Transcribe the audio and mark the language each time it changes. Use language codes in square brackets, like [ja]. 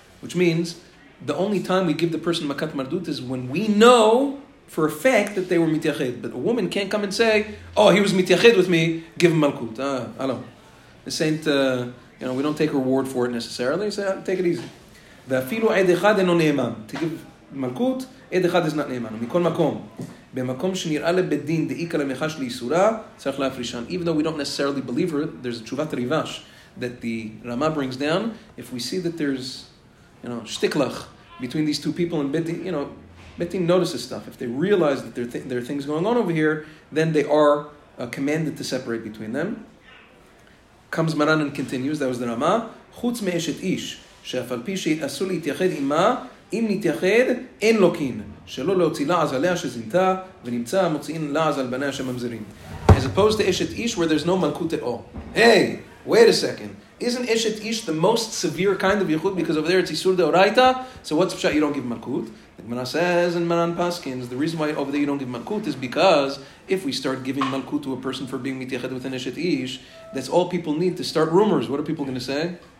[en] Which means the only time we give the person makat mardut is when we know for a fact that they were mityached. But a woman can't come and say, "Oh, he was mityached with me. Give him malkut." Alam. This ain't. We don't take her word for it necessarily. Say, take it easy. [he] ואפילו עד אחד אינו נאמן. תגיד מלכות, עד אחד [en] is not [he] נאמן. מכל מקום. במקום שנראה לבית דין דאיקה למחש לאיסורה, צריך להפרישן. [en] Even though we don't necessarily believe her, there's a תשובת ריבש that the Rama brings down. If we see that there's, שתיקלך between these two people and בית דין, בית דין notices stuff. If they realize that there are things going on over here, then they are commanded to separate between them. Comes Maran and continues, that was the Rama. [he] חוץ מאשת איש. שאף על פי שאסור להתייחד עמה, אם נתייחד, אין לוקין. שלא להוציא לעז עליה שזינתה, ונמצא מוציאין לעז על בניה שממזרים. [en] As opposed to אשת איש, where there's no מלכות at all. Hey, wait a second. Isn't אשת איש the most severe kind of יחוד? Because over there it's איסור דאורייתא. So what's פשוט? You don't give מלכות. The Gemara says in Maran Paskins, the reason why over there you don't give מלכות is because if we start giving מלכות to a person for being מתייחד with an אשת איש, that's all people need to start rumors. What are people going to say?